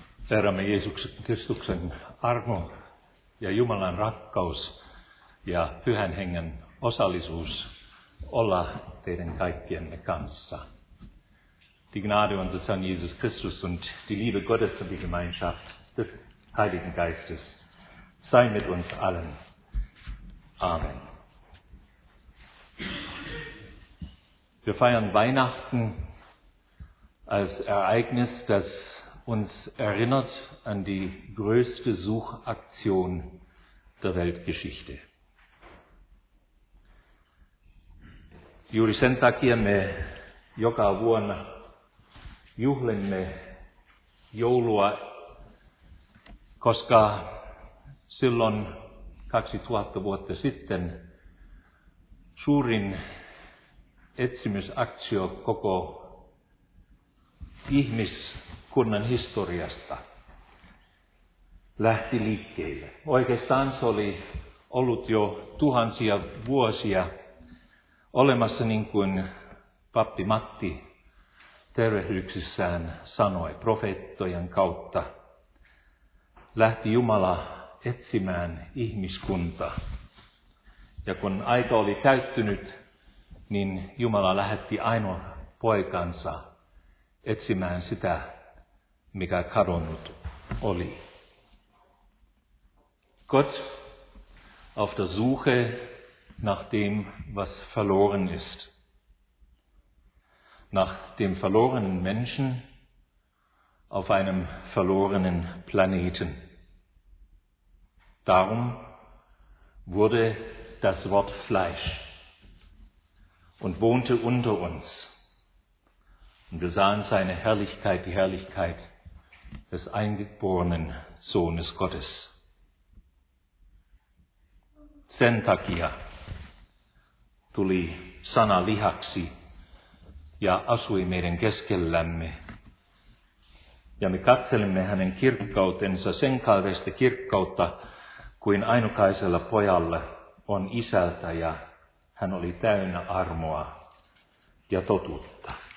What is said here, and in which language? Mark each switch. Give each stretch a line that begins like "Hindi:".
Finnish: Herramme Jeesuksen Kristuksen armo ja Jumalan rakkaus ja Pyhän Hengen osallisuus olla teidän kaikkienne kanssa.
German: Die Gnade unseres Herrn Jesus Christus und die Liebe Gottes und die Gemeinschaft des Heiligen Geistes sei mit uns allen. Amen. Wir feiern Weihnachten als Ereignis, das uns erinnert an die größte Suchaktion der Weltgeschichte.
Finnish: Juuri sen takia me joka vuonna juhlimme joulua, koska silloin 2000 vuotta sitten suurin etsimysaktio koko ihmiskunnan historiasta lähti liikkeelle. Oikeastaan se oli ollut jo tuhansia vuosia olemassa, niin kuin pappi Matti tervehdyksissään sanoi, profeettojen kautta lähti Jumala etsimään ihmiskunta. Ja kun aika oli täyttynyt, niin Jumala lähetti ainoa poikansa etsimään sitä, mikä kadonnut oli.
German: Gott auf der Suche nach dem, was verloren ist. Nach dem verlorenen Menschen auf einem verlorenen Planeten. Darum wurde das Wort Fleisch und wohnte unter uns. Und wir sahen seine Herrlichkeit, die Herrlichkeit des eingeborenen Sohnes Gottes.
Finnish: Sen takia tuli sana lihaksi ja asui meidän keskellämme. Ja me katselemme hänen kirkkautensa sen kaltaista kirkkautta, kuin ainokaisella pojalla on isältä, ja hän oli täynnä armoa ja totuutta.